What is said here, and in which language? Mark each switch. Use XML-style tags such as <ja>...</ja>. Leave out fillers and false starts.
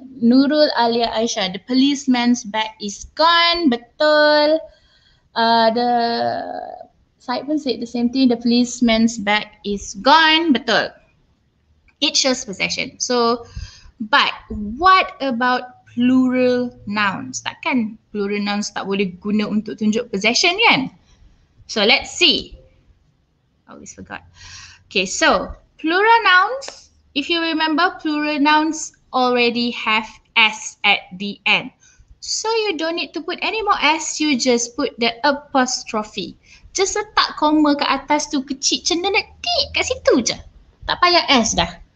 <en>Nurul Alia Aisyah. The policeman's bag is gone. Betul. The Saipun said the same thing. The policeman's bag is gone. Betul. It shows possession. So, but what about plural nouns?</en> <ms>Takkan plural nouns tak boleh guna untuk tunjuk possession kan?</ms> <en>So, let's see. Always forgot. Okay, so plural nouns, if you remember, plural nouns already have S at the end. So you don't need to put any more S, you just put the apostrophe.</en> <ms>Just letak koma kat atas tu kecil, cendenetik kat situ je. Tak payah S dah.</ms>